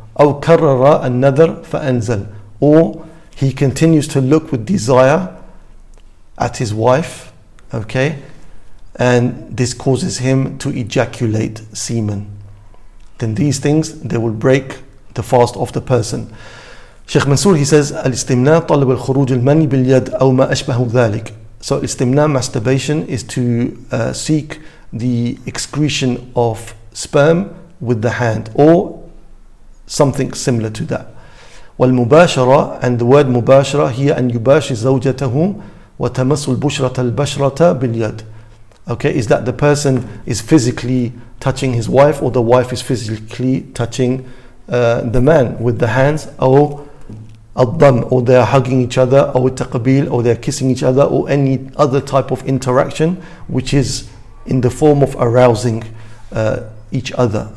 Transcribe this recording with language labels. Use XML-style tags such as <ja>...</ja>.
<ar>أَوْ كَرَّرَ النَّذَرْ فَأَنْزَلْ,</ar> <en>or he continues to look with desire at his wife, okay, and this causes him to ejaculate semen. Then these things, they will break the fast of the person.</en> <ar>Sheikh Mansour, he says, الاستمناء طلب الخروج المني باليد أو ما أشبه ذلك.</ar> <en>So الاستمناء, masturbation, is to seek the excretion of sperm with the hand or something similar to that.</en> <ar>والمباشرة,</ar> <en>and the word</en> <ar>مباشرة هي أن يباشر زوجته وتمس البشرة البشرة باليد.</ar> <en>Okay, is that the person is physically touching his wife or the wife is physically touching the man with the hands, or الضم, or they are hugging each other, or التقبيل, or they are kissing each other, or any other type of interaction which is in the form of arousing each other.</en>